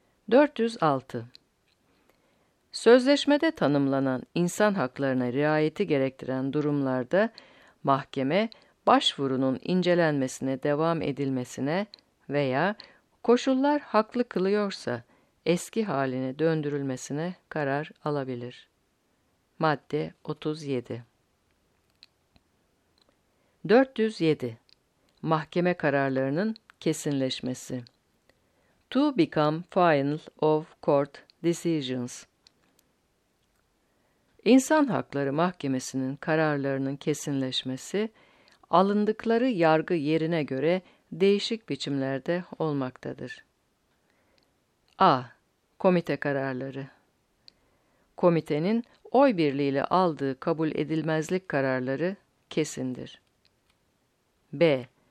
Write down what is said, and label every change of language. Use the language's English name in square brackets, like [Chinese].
[Turkish] 406. Sözleşmede tanımlanan insan haklarına riayeti gerektiren durumlarda mahkeme başvurunun incelenmesine devam edilmesine veya koşullar haklı kılıyorsa eski haline döndürülmesine karar alabilir. Madde 37. 407. Mahkeme kararlarının kesinleşmesi. [English] To become final of court decisions. [Turkish] İnsan Hakları Mahkemesi'nin kararlarının kesinleşmesi, alındıkları yargı yerine göre değişik biçimlerde olmaktadır. A. Komite kararları. Komitenin oy birliğiyle aldığı kabul edilmezlik kararları kesindir. B.